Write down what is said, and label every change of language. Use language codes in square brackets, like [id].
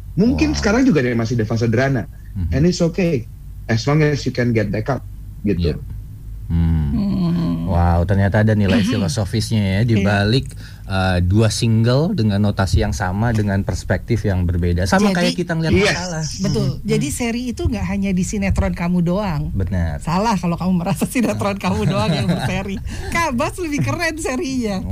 [id] Mungkin sekarang juga dia masih di fase Derana. Mm-hmm. [en] And it's okay as long as you can get back up. [id] Gitu. Yeah. Wow, ternyata ada nilai filosofisnya ya di balik dua single dengan notasi yang sama dengan perspektif yang berbeda. Sama jadi, kayak kita ngeliat masalah. Betul. Jadi seri itu enggak hanya di sinetron kamu doang. Benar. Salah kalau kamu merasa sinetron kamu doang yang berseri. Kabas lebih keren serinya. Waduh.